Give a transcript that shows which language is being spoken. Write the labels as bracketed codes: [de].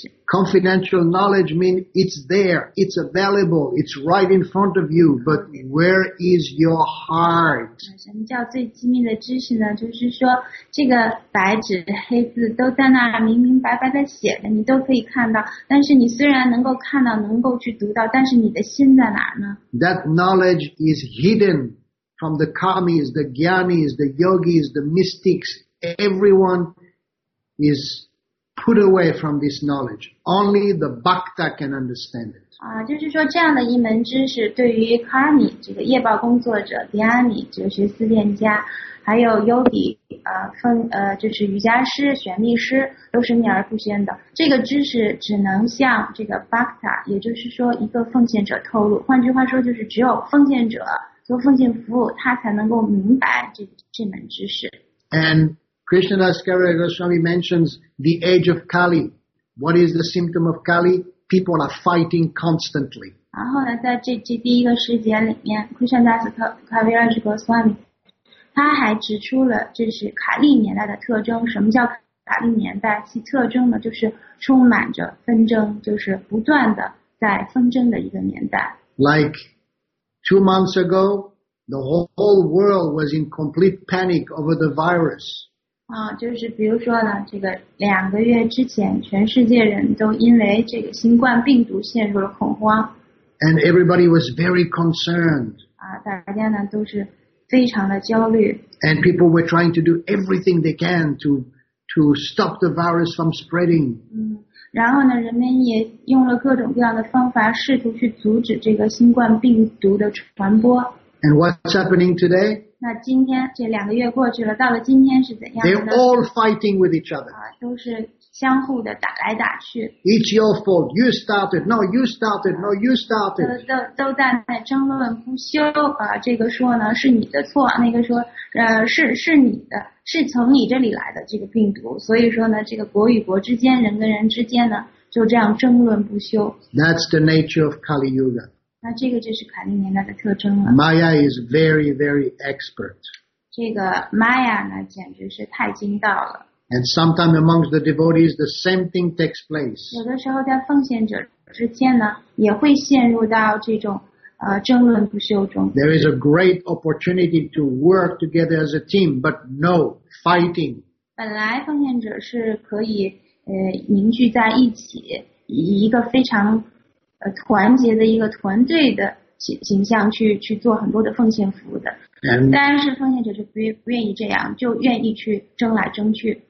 [en] Confidential knowledge means it's there, it's available, it's right in front of you. But where is your heart? [zh] 什么叫最机密的知识呢？就是说，这个白纸黑字都在那儿明明白白的写的，你都可以看到。但是你虽然能够看到，能够去读到，但是你的心在哪儿呢？ [en] That knowledge is hidden from the kamis, the gyanis, the yogis, the mystics. Everyone is put away from this knowledge. Only the bhakta can understand it. [zh] 就是说这样的一门知识对于 karmi 这个业报工作者、dhyani 哲学思辨家，还有 yogi 就是瑜伽师、玄密师，都是秘而不宣的。这个知识只能向这个 bhakta， 也就是说一个奉献者透露。换句话说，就是只有奉献者做奉献服务，他才能够明白这门知识。 [en] And Krishnadas Kaviraj Goswami mentions the age of Kali. What is the symptom of Kali? People are fighting constantly. [zh] 然后呢，在这第一个世界里面 ，Krishnadas Kaviraj Goswami 他还指出了这是卡利年代的特征。什么叫卡利年代？其特征呢，就是充满着纷争，就是不断的在纷争的一个年代。 [en] Like 2 months ago, the whole world was in complete panic over the virus. [zh] 啊，就是比如说呢，这个两个月之前，全世界人都因为这个新冠病毒陷入了恐慌。 [en] And everybody was very concerned. [zh] 啊，大家呢都是非常的焦虑。 [en] And people were trying to do everything they can to stop the virus from spreading. [zh] 嗯，然后呢，人们也用了各种各样的方法，试图去阻止这个新冠病毒的传播。 [en] And what's happening today? [zh] 那今天这两个月过去了，到了今天是怎样的呢？ [en] They're all fighting with each other. [zh] 啊，都是相互的打来打去。 [en] It's your fault. You started. No, you started. No, you started. [zh] 都在那争论不休啊！这个说呢是你的错，那个说是你的，是从你这里来的这个病毒。所以说呢，这个国与国之间，人跟人之间呢，就这样争论不休。 [en] That's the nature of Kali Yuga. [zh] 那这个就是卡利年代的特征了。 [en] Maya is very, very expert. [zh] 这个 Maya 呢，简直是太精到了。 [en] And sometimes amongst the devotees, the same thing takes place. [zh] 有的时候在奉献者之间呢，也会陷入到这种争论不休中。 [en] There is a great opportunity to work together as a team, but no fighting. [zh] 本来奉献者是可以凝聚在一起，一个非常。团结的一个团队的形象去做很多的奉献服务的，但是奉献者是不愿意这样，就愿意去争来争去。